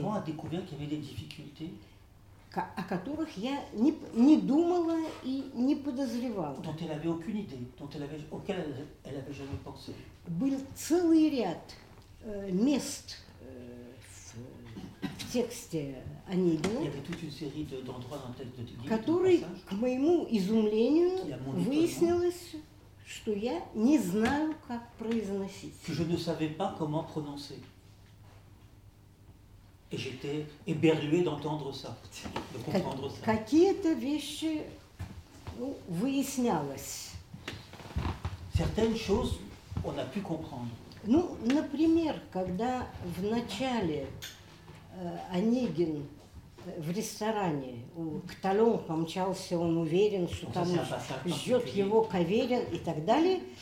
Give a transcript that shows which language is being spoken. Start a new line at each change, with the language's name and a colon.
French: Maman a découvert qu'il y avait des difficultés.
Russian: О которых я не думала и не подозревала.
French: Dont elle avait aucune idée, auquel elle avait jamais pensé.
Russian: Был целый ряд мест в тексте Онегина.
French: Il y avait toute une série d'endroits dans le texte de Onegin.
Russian: Которые, к моему изумлению, выяснилось, что я не знаю, как произносить.
French: Que je ne savais pas comment prononcer. Et j'étais éberlué d'entendre ça, de comprendre ça.
Russian: Какие-то вещи, ну, выяснялось.
French: Certaines choses, on a pu comprendre.
Russian: Ну, например, когда в начале Онегин в ресторане к Толём помчался, он уверен, что там ждет его Каверин и так далее.